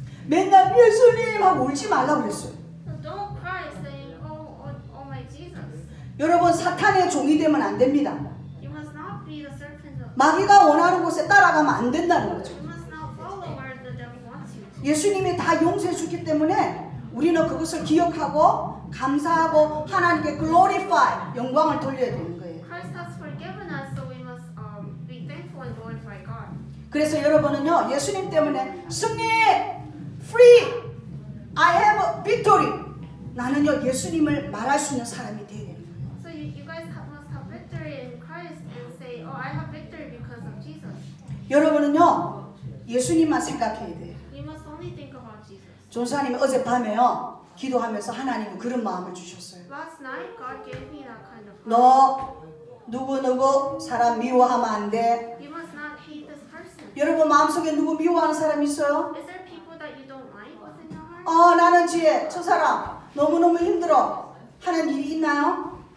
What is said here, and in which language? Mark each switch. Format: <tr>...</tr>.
<ko>맨날 예수님 하고 울지 말라고 그랬어요.</ko> <en>Don't cry saying, oh, oh my Jesus.</en> <ko>여러분 사탄의 종이 되면 안 됩니다.</ko> <en>You must not be the serpent of...</en> <ko>마귀가 원하는 곳에 따라가면 안 된다는 거죠.</ko> <en>You must not follow where the devil wants you to.</en> <ko>예수님이 다 용서해 주기 때문에 우리는 그것을 기억하고 감사하고 하나님께 glorify 영광을 돌려야 되는 거예요.</ko> <en>Christ has forgiven us, so we must be thankful and glorify God.</en> <ko>그래서 여러분은요 예수님 때문에 승리 Free!</ko> <en>I have a victory!</en> <ko>나는요 예수님을 말할 수 있는 사람이 되어야 됩니다.</ko> <en>So you guys must have victory in Christ and say, oh, I have victory because of Jesus.</en> <ko>여러분은요 예수님만 생각해야 돼요.</ko> <en>You must only think about Jesus.</en> <ko>존사님이 어젯밤에요 기도하면서 하나님이 그런 마음을 주셨어요.</ko> <en>Last night God gave me that kind of heart.</en> <ko>너 누구누구 사람 미워하면 안 돼.</ko> <en>You must not hate this person.</en> <ko>여러분 마음속에 누구 미워하는 사람 있어요?</ko> <en>Is there people that you don't like within your heart?</en> <ko>어, 나는 지혜 저 사람 너무너무 힘들어 하는 일이 있나요?</ko>